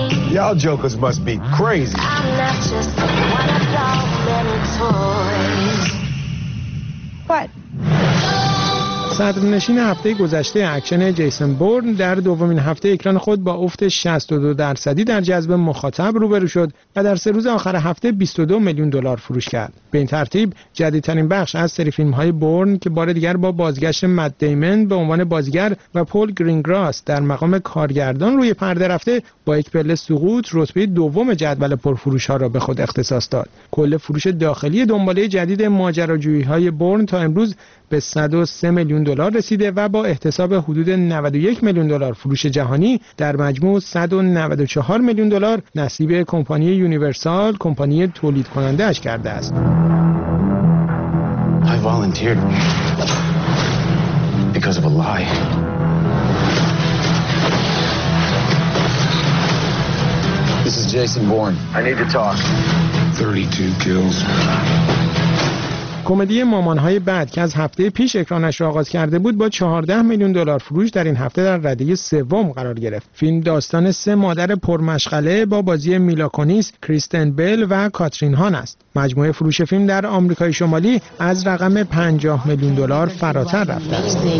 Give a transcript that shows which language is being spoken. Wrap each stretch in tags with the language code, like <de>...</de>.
<en>Y'all jokers must be crazy. I'm not just one of those many toys. What?</en> <fa>صدرنشین هفته گذشته اکشن جیسون بورن در دومین هفته اکران خود با افت 62% در جذب مخاطب روبرو شد و در سه روز آخر هفته 22 میلیون دلار فروش کرد. به این ترتیب جدیدترین بخش از سری فیلم‌های بورن که بار دیگر با بازگشت مت دیمن به عنوان بازیگر و پول گرینگراس در مقام کارگردان روی پرده رفته با یک پله سقوط رتبه دوم جدول پرفروش‌ها را به خود اختصاص داد. کل فروش داخلی دنباله جدید ماجراجویی‌های بورن تا امروز به 103 میلیون دلار رسیده و با احتساب حدود 91 میلیون دلار فروش جهانی در مجموع 194 میلیون دلار نصیب کمپانی یونیورسال، کمپانی تولید کننده اش کرده است.</fa> <en>I volunteered because of a lie. This is Jason Bourne. I need to talk. 32 kills.</en> <fa>کمدی مامان‌های بعد که از هفته پیش اکرانش را آغاز کرده بود با 14 میلیون دلار فروش در این هفته در رده سوم قرار گرفت. فیلم داستان سه مادر پرمشغله با بازی میلا کونیس، کریستن بیل و کاترین هان است. مجموعه فروش فیلم در آمریکای شمالی از رقم 50 میلیون دلار فراتر رفته است.</fa>